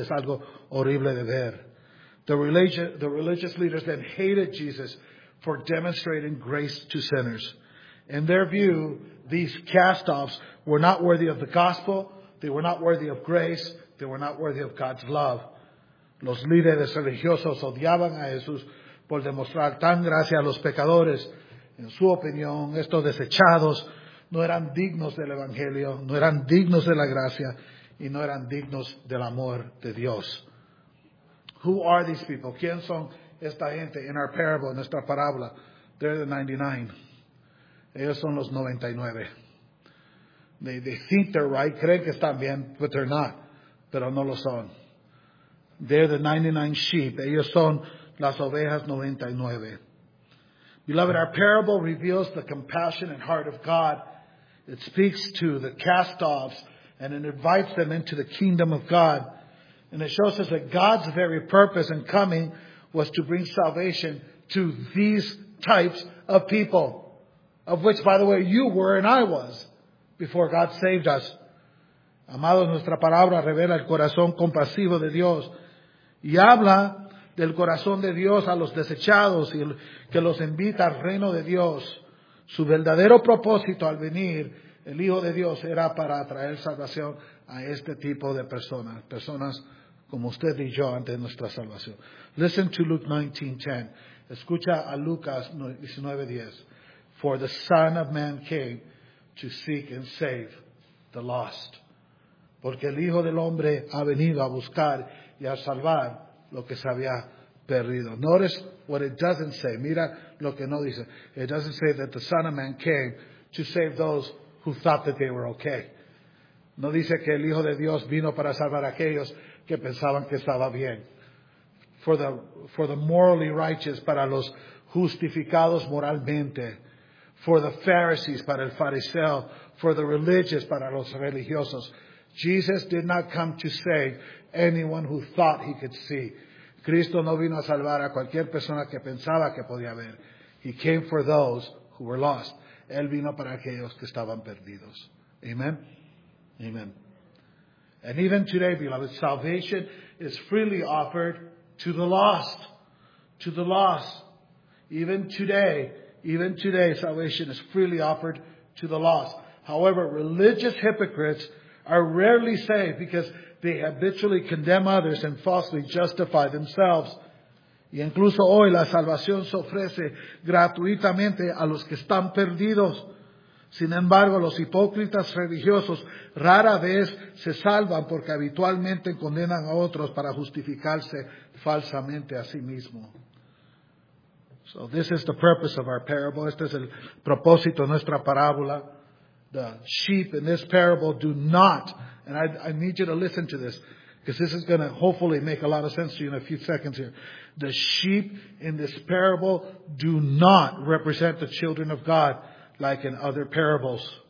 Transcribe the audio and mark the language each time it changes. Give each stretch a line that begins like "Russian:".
Spanish: Es algo horrible de ver.
English: The religious leaders then hated Jesus for demonstrating grace to sinners. In their view, these cast-offs were not worthy of the gospel, they were not worthy of grace, they were not worthy of God's love.
Spanish: Los líderes religiosos odiaban a Jesús por demostrar tan gracia a los pecadores. En su opinión, estos desechados no eran dignos del evangelio, no eran dignos de la gracia y no eran dignos del amor de Dios.
English: Who are these people?
Spanish: ¿Quién son esta gente?
English: In our parable,
Spanish: en nuestra parábola,
English: they're the 99.
Spanish: Ellos son los 99.
English: They think they're right,
Spanish: creen que están bien,
English: but they're not.
Spanish: Pero no lo son.
English: They're the 99 sheep.
Spanish: Ellos son las ovejas 99.
English: Beloved, our parable reveals the compassionate heart of God. It speaks to the cast-offs and it invites them into the kingdom of God. And it shows us that God's very purpose in coming was to bring salvation to these types of people. Of which, by the way, you were and I was before God saved us.
Spanish: Amado, nuestra palabra revela el corazón compasivo de Dios. Y habla del corazón de Dios a los desechados y que los invita al reino de Dios. Su verdadero propósito al venir, el Hijo de Dios, era para traer salvación a este tipo de personas, personas como usted y yo ante nuestra salvación.
English: Listen to Luke 19:10.
Spanish: Escucha a Lucas 19:10.
English: For the Son of Man came to seek and save the lost.
Spanish: Porque el Hijo del Hombre ha venido a buscar y a salvar lo que se había perdido.
English: Notice what it doesn't say.
Spanish: Mira lo que no dice.
English: It doesn't say that the Son of Man came to save those who thought that they were okay.
Spanish: No dice que el Hijo de Dios vino para salvar a aquellos que pensaban que estaba bien.
English: For the morally righteous,
Spanish: para los justificados moralmente.
English: For the Pharisees,
Spanish: para el fariseo.
English: For the religious,
Spanish: para los religiosos.
English: Jesus did not come to save anyone who thought he could see.
Spanish: Cristo no vino a salvar a cualquier persona que pensaba que podía ver.
English: He came for those who were lost.
Spanish: Él vino para aquellos que estaban perdidos.
English: Amen? Amen. And even today, beloved, salvation is freely offered to the lost. To the lost. Even today, salvation is freely offered to the lost. However, religious hypocrites are rarely saved because they habitually condemn others and falsely justify themselves.
Spanish: Y incluso hoy la salvación se ofrece gratuitamente a los que están perdidos. Sin embargo, los hipócritas religiosos rara vez se salvan porque habitualmente condenan a otros para justificarse falsamente a sí mismo.
English: So this is the purpose of our parable.
Spanish: Este es el propósito de nuestra parábola.
English: The sheep in this parable do not, and I need you to listen to this, because this is going to hopefully make a lot of sense to you in a few seconds here. The sheep in this parable do not represent the children of God like in other parables.